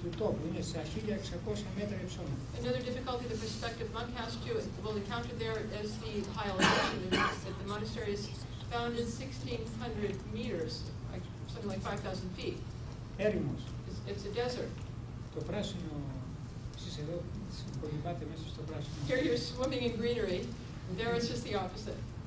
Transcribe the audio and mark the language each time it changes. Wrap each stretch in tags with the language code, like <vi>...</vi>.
<en>Another difficulty the prospective monk has to will encounter there is the high elevation. That the monastery is found in 1,600 meters, something like 5,000 feet.</en> <el>Έρημος.</el> <en>It's a desert.</en> <el>Το πράσινο, εσείς εδώ, κολυμπάτε μέσα στο πράσινο.</el> <en>Here you're swimming in greenery, there it's just the opposite.</en>